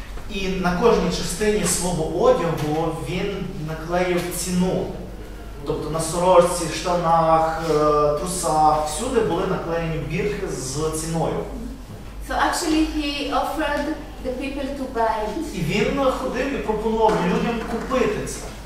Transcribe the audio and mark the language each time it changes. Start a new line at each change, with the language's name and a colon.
Ukrainian: І на кожній частині свого одягу він наклеїв ціну. Тобто на сорочці, штанах, трусах, всюди були наклеєні бірки з ціною.
English: So actually he offered the people to buy it.
Ukrainian: І він ходив і пропонував людям купити це.